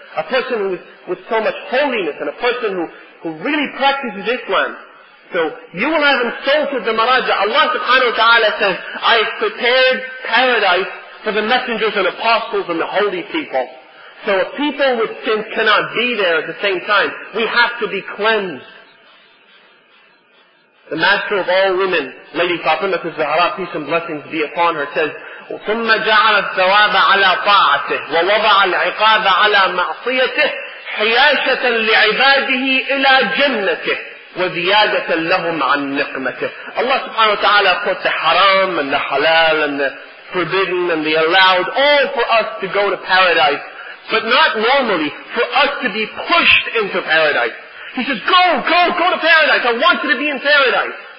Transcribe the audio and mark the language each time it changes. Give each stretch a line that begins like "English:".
English: A person who is with so much holiness and a person who really practices Islam. So, you will have insulted the maraja. Allah subhanahu wa ta'ala says, I have prepared paradise for the messengers and apostles and the holy people. So, a people with sin cannot be there at the same time. We have to be cleansed. The master of all women, Lady Fatimah al-Zahra, peace and blessings be upon her,
Arabic: says, وَثُمَّ جَعَلَ الثَّوَابَ عَلَى طَاعَتِهِ وَوَضَعَ الْعِقَابَ عَلَى مَعْصِيَتِهِ حِيَاشَةً لِعِبَادِهِ إِلَى جَنَّتِهِ وَزِيَادَةً لَهُمْ عَنْ نِقْمَتِهِ.
English: Allah subhanahu wa ta'ala put the haram and the halal and the forbidden and the allowed all for us to go to paradise. But not normally, for us to be pushed into paradise. He says, go, go, go to paradise. I want you to be in paradise.